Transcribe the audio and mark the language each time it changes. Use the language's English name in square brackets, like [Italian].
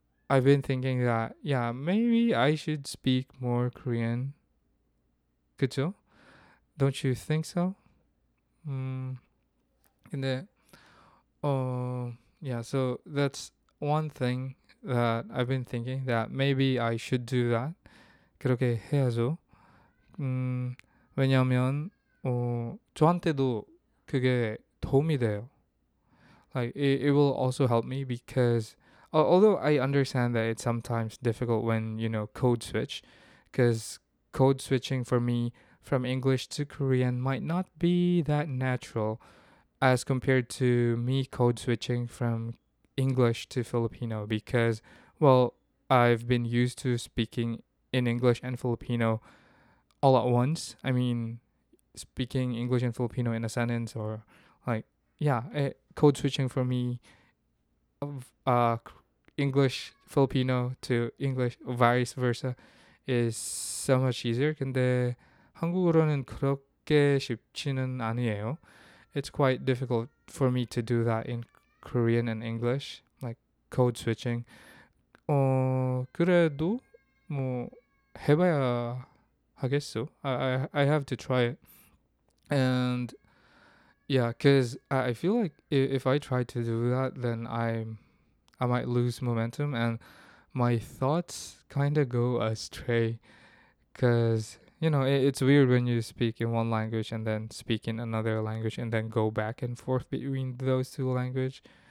[English] I've been thinking that, yeah, maybe I should speak more Korean. [Korean] 그죠? [English] Don't you think so? 근데, yeah, so that's one thing that I've been thinking, that maybe I should do that. [Korean] 그렇게 해야죠. 왜냐하면 저한테도 그게 도움이 돼요. [English] Like, it will also help me, because although I understand that it's sometimes difficult when, you know, code switch. Because code switching for me from English to Korean might not be that natural as compared to me code switching from English to Filipino because, well, I've been used to speaking in English and Filipino all at once. I mean, speaking English and Filipino in a sentence or like, yeah, code switching for me of English, Filipino to English, vice versa, is so much easier. [Korean] 근데 한국어로는 그렇게 쉽지는 아니에요. [English] It's quite difficult for me to do that in Korean and English, like code switching. [Korean] 그래도 뭐 해봐야 하겠어. [English] I have to try it. And yeah, because I feel like if I try to do that, then I might lose momentum and my thoughts kind of go astray. Because, you know, it's weird when you speak in one language and then speak in another language and then go back and forth between those two languages.